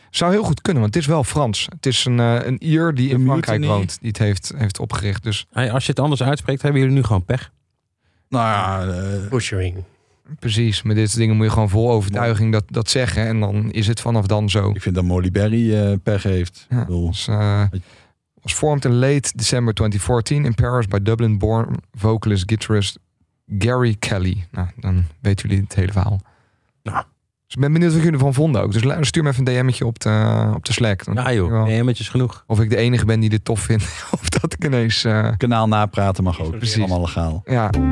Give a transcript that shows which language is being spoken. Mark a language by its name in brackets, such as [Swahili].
[Dutch] Zou heel goed kunnen, want het is wel Frans. Het is een Ier die in Frankrijk woont. Die het heeft opgericht. Dus. Hey, als je het anders uitspreekt, hebben jullie nu gewoon pech. Nou ja. [English] Butchering. [Dutch] Precies, met dit soort dingen moet je gewoon vol overtuiging dat zeggen. En dan is het vanaf dan zo. Ik vind dat Molly Berry pech heeft. [English] Ja, was formed in late December 2014 in Paris by Dublin-born vocalist guitarist Gary Kelly. [Dutch] Nou, dan weten jullie het hele verhaal. Nou. Dus ik ben benieuwd wat jullie ervan vonden ook. Dus stuur me even een DM'tje op de Slack. Dan ja joh, wel, DM'tjes genoeg. Of ik de enige ben die dit tof vindt. Of dat ik ineens... Kanaal napraten mag ook. Precies. Allemaal legaal. Ja.